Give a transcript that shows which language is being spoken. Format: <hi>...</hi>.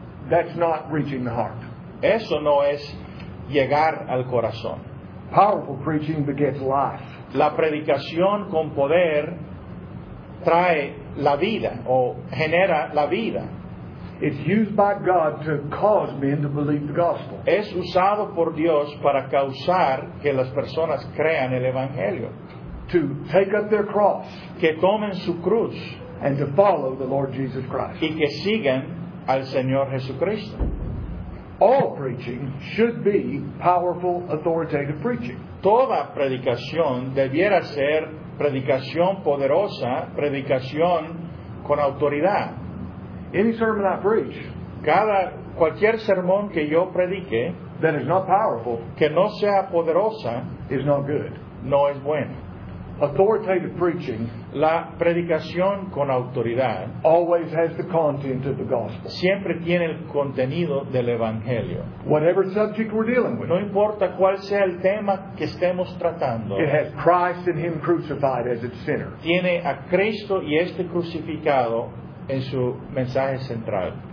<en>That's not reaching the heart.</en> <es>Eso no es llegar al corazón.</es> <en>Powerful preaching begets life.</en> <es>La predicación con poder trae la vida o genera la vida.</es> <en>It's used by God to cause men to believe the gospel.</en> <es>Es usado por Dios para causar que las personas crean el evangelio.</es> <en>To take up their cross.</en> <es>Que tomen su cruz.</es> <en>And to follow the Lord Jesus Christ.</en> <es>Y que sigan al Señor Jesucristo.</es> <en>All preaching should be powerful, authoritative preaching.</en> <es>Toda predicación debiera ser predicación poderosa, predicación con autoridad.</es> <en>Any sermon I preach,</en> <es>cualquier sermón que yo predique,</es> <en>that is not powerful,</en> <es>que no sea poderosa,</es> <en>is not good.</en> <es>No es bueno.</es> <en>Authoritative preaching,</en> <es>la predicación con autoridad,</es> <en>always has the content of the gospel.</en> <es>Siempre tiene el contenido del evangelio.</es> <en>Whatever subject we're dealing with,</en> <es>no importa cuál sea el tema que estemos tratando,</es> <en>it has Christ and Him crucified as its center.</en> <es>Tiene a Cristo y este crucificado en su mensaje central.</es>